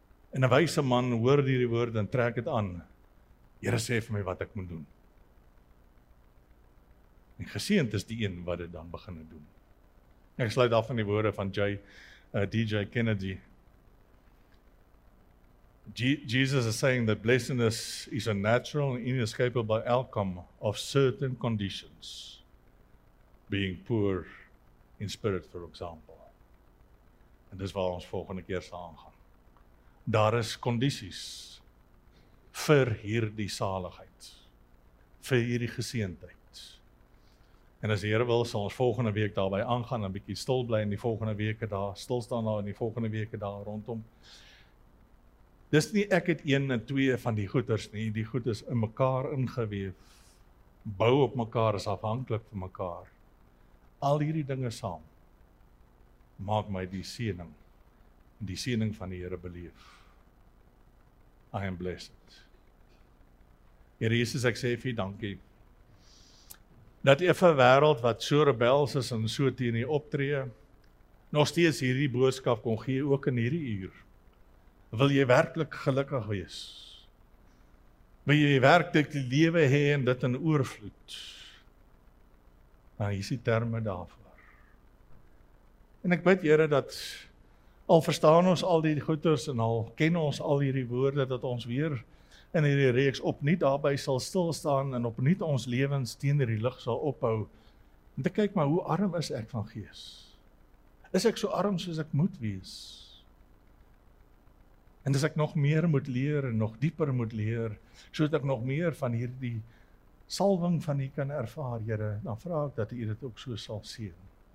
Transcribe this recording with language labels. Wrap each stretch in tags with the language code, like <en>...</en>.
<af>En 'n wyse man hoor hierdie woorde en trek dit aan. Here sê vir my wat ek moet doen. En geseënd is die een wat dit dan begin doen. Ek sluit af van die woorde van DJ Kennedy.</af> <en>Jesus is saying that blessedness is a natural and inescapable outcome of certain conditions. Being poor in spirit, for example.</en> <af>En dis waar ons volgende keer sal aangaan. Daar is kondisies vir hierdie saligheid, vir hierdie geseentheid. En as die Here wil, sal ons volgende week daarby aangaan, en bietjie stil bly in die volgende weke daar, stilstaan daar in die volgende weke daar rondom. Dis nie ek het een en twee van die goeders nie, die goeders in mekaar ingeweef, bou op mekaar, is afhanklik van mekaar. Al hierdie dinge saam, maak my die seëning van die Here beleef.</af> <en>I am blessed.</en> <af>Here Jesus, ek sê vir u dankie, dat effe wêreld wat so rebels is en so teen u optree, nog steeds hierdie boodskap kon gee, ook in hierdie uur. Wil jy werklik gelukkig wees? Wil jy werklik die lewe hê en dit in oorvloed? Nou, hier is die terme daarvoor. En ek bid, Here, dat al verstaan ons al die goeders en al ken ons al hierdie woorde, dat ons weer in hierdie reeks opnuut daarby sal stilstaan en opnuut ons lewens teenoor die lig sal ophou. En te kyk maar, hoe arm is ek van gees? Is ek so arm soos ek moet wees? En as ek nog meer moet leer en nog dieper moet leer, sodat ek nog meer van hierdie salwing van U kan ervaar, Here, dan vra ek dat U dit ook so sal seën.</af>